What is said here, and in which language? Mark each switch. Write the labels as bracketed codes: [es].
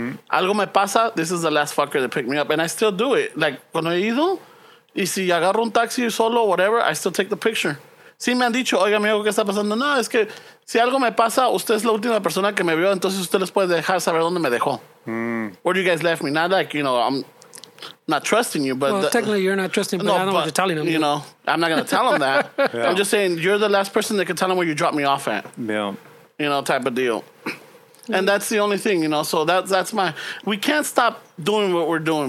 [es] Algo me pasa, [en] this is the last fucker to pick me up, and I still do it. [es] Like, cuando he ido, y si agarro un taxi solo, whatever, [en] I still take the picture. [es] Sí me han dicho, oiga, amigo, ¿qué está pasando? No, es que si algo me pasa, usted es la última persona que me vio, entonces usted les puede dejar saber dónde me dejó. [en] Where you guys left me? Not like, you know, I'm not trusting you, but... Well, technically you're not trusting, but no, I don't know what you're telling them. You know, I'm not going to tell them that. Yeah. I'm just saying, you're the last person that can tell them where you dropped me off at. Yeah. You know, type of deal. And that's the only thing, you know, so that's my... We can't stop doing what we're doing.